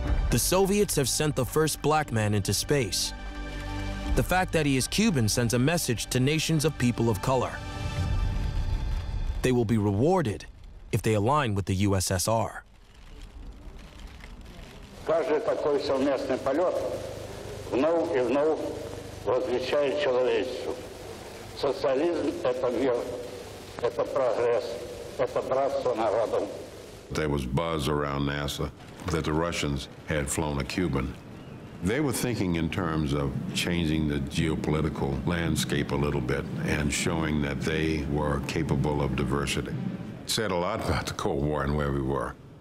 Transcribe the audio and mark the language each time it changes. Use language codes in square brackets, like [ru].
[en] The Soviets have sent the first black man into space. The fact that he is Cuban sends a message to nations of people of color. They will be rewarded if they align with the USSR. [ru] Каждый такой совместный полет вновь и вновь возвещает человечеству. Социализм — это мир, это прогресс, это братство народом. [en] There was buzz around NASA that the Russians had flown a Cuban. They were thinking in terms of changing the geopolitical landscape a little bit and showing that they were capable of diversity. Said a lot about the Cold War and where we were.